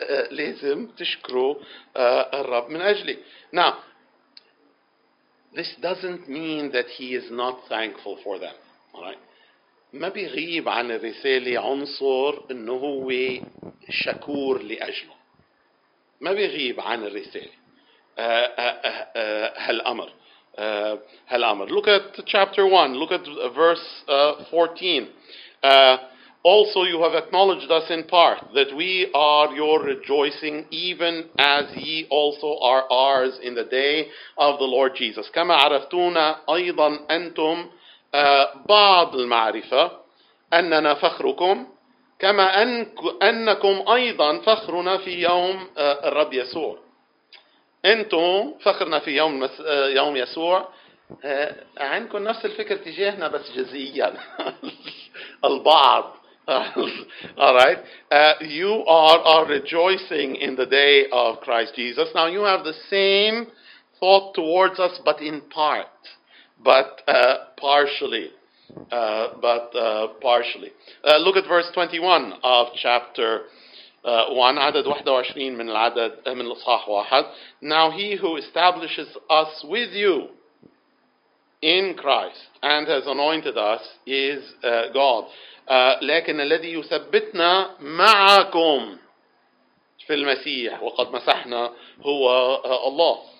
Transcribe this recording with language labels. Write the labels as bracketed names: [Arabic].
[Arabic] لازم تشكروا الرب من أجلي. [English] Now, this doesn't mean that he is not thankful for them. All right. [Arabic] ما بيغيب عن الرسالة عنصر إنه هو شكور لأجله. ما بيغيب عن الرسالة هالأمر. هالأمر. [English] Look at chapter 1. Look at verse 14. Also, you have acknowledged us in part, that we are your rejoicing, even as ye also are ours in the day of the Lord Jesus. [Arabic] كما عرفتونا أيضا أنتم بعض المعرفة أننا فخركم كما أنكم أيضا فخرنا في يوم الرب يسوع. أنتم فخرنا في يوم يسوع. عندكم نفس الفكر تجاهنا بس جزئيا. البعض. [English] All right. You are rejoicing in the day of Christ Jesus. Now you have the same thought towards us, but in part, but partially, partially. Look at verse 21 of chapter 1. [Arabic] عدد 21 من العدد من الإصحاح واحد. [English] Now he who establishes us with you in Christ and has anointed us is God. [Arabic] لكن الذي يثبتنا معكم في المسيح وقد مسحنا هو الله.